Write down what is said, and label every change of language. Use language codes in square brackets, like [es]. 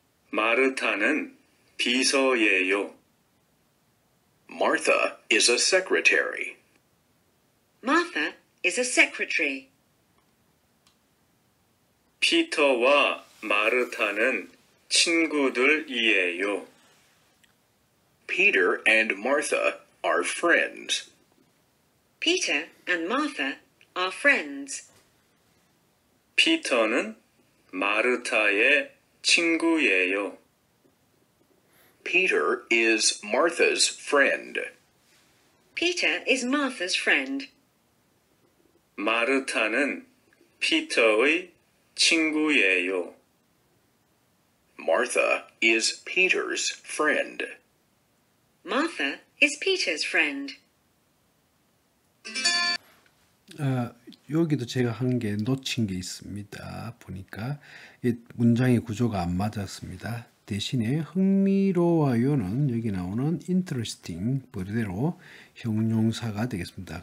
[ko] 마르타는 비서예요. [en] Martha is a secretary. Martha is a secretary. [ko] 피터와 마르타는 친구들이에요. [en] Peter and Martha are friends. Peter and Martha are friends. [ko] 피터는 마르타의 친구예요. [en] Peter is Martha's friend. Peter is Martha's friend. [ko] 마르타는 피터의 친구예요. [en] Martha is Peter's friend. Martha is Peter's friend. [ko] 여기도 제가 한 게 놓친 게 있습니다. 보니까 이 문장의 구조가 안 맞았습니다. 대신에 흥미로워요는 여기 나오는 interesting 그대로 형용사가 되겠습니다.